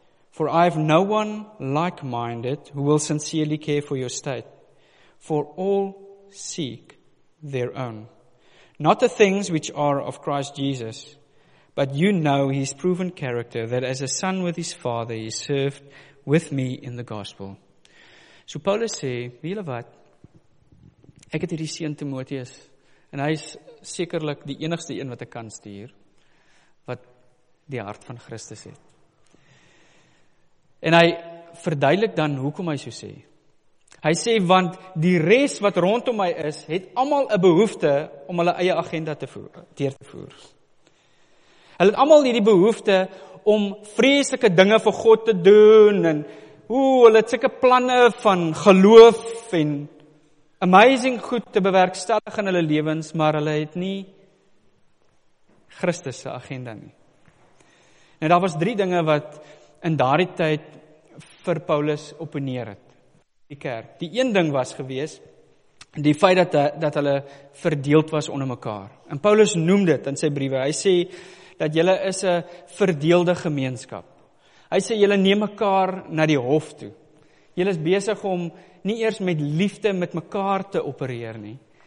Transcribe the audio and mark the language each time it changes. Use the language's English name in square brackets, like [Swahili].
[English] For I have no one like-minded who will sincerely care for your state. For all seek their own. Not the things which are of Christ Jesus, but you know his proven character, that as a son with his father, he served with me in the gospel. [Afrikaans] So Paulus sê, weet julle wat? Ek het hierdie seun Timoteus, en hy is sekerlik die enigste een wat ek kan stuur, wat die hart van Christus het. En hy verduidelik dan hoekom hy so sê. Hy sê, want die res wat rondom my is, het allemaal 'n behoefte om hulle eie agenda te voer. Hulle het allemaal hierdie behoefte om vreeslike dinge vir God te doen, en hulle het sulke planne van geloof en amazing goed te bewerkstellig in hulle lewens, maar hulle het nie Christus se agenda nie. Nou, daar was drie dinge wat in daardie tyd vir Paulus opponeer het. Die kerk. Die een ding was gewees, die feit dat hulle verdeeld was onder mekaar. En Paulus noem dit in sy briewe. Hy sê dat julle is 'n verdeelde gemeenskap. Hy sê julle neem mekaar na die hof toe. Julle is besig om nie eers met liefde met mekaar te opereer nie.